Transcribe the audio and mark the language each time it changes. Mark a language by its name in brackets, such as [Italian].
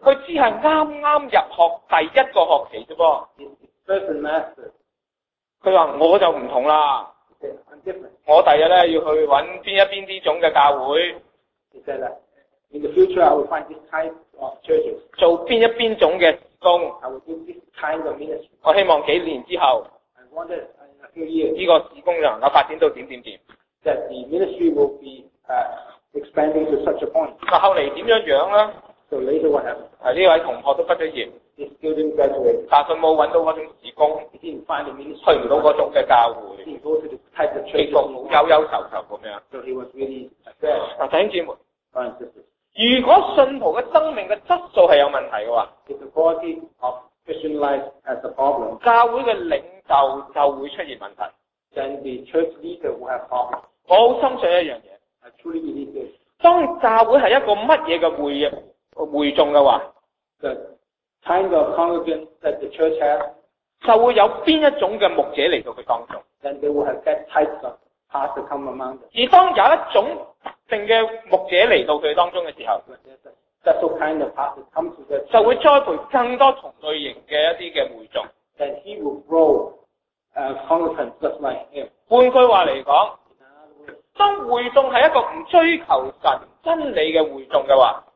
[Cantonese] 佢只係啱啱入學第一個學期啫噃。 [English] First semester. [Cantonese] 佢話我就唔同啦。 [English] I'm different. [Cantonese] 我第日咧要去揾边一边呢种嘅教会。 [English] He said that in the future I will find this type of churches. [Cantonese] 做边一边种嘅工。 [English] I will do this kind of ministry. [Cantonese] 我希望几年之后。 [English] I wonder in a few years. [Cantonese] 呢个事工能够发展到点点点。 [English] That the ministry will be expanding to such a point. [Cantonese] 那后来怎样样咧？ [English] So later what happened? [Cantonese] 呢位同学都毕咗业。 [English] He still didn't graduate. [Cantonese] 但佢冇揾到嗰种事工。 [English] He didn't find the ministry. [Cantonese] 去唔到嗰种嘅教会。 [English] He didn't go to the type of church. [Cantonese] 忧忧愁愁咁样。 [English] So he was really sad. [Cantonese] 弟兄姊妹，如果信徒嘅生命嘅质素系有问题嘅话 [English] ，If the quality of Christian life has a problem, [Cantonese] 教会嘅领袖就会出现问题。 [English] Then the church leader will have problems. [Cantonese] 我好深信一样嘢。 [English] I truly believe this. [Cantonese] 当教会系一个乜嘢嘅会众嘅话 [English] ，The kind of congregant that the church has, [Cantonese] 就会有边一种嘅牧者嚟到佢当中。 [English] Then they will have that type of pastor come among them. [Cantonese] 而当有一种定嘅牧者嚟到佢当中嘅时候，就会栽培更多同类型嘅一啲嘅会众。 [English] Then he will grow congregants just like him. [Cantonese] 换句话嚟讲，当会众系一个唔追求神真理嘅会众嘅话